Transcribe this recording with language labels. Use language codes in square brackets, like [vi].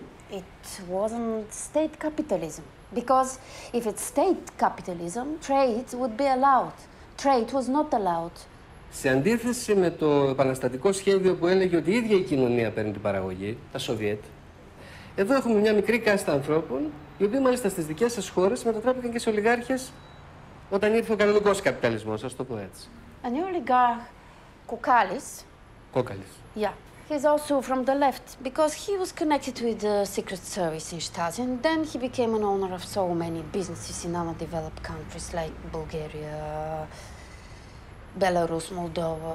[en] It wasn't state capitalism, because if it's state capitalism, trade would be allowed. Trade was not allowed. [el] Σε αντίθεση με το επαναστατικό σχέδιο που έλεγε ότι η ίδια η κοινωνία παίρνει την παραγωγή, τα Σοβιέτ, εδώ έχουμε μια μικρή κάστα ανθρώπων, οι οποίοι μάλιστα στις δικές σας χώρες μετατράπηκαν και σε ολιγάρχες όταν ήρθε ο κανονικός καπιταλισμός, ας το πω έτσι. [en] An oligarch, Kokkalis. Kokkalis. Yeah. He's also from the left, because he was connected with the secret service in Stasi, and then he became an owner of so many businesses in underdeveloped countries like Bulgaria, Belarus, Moldova.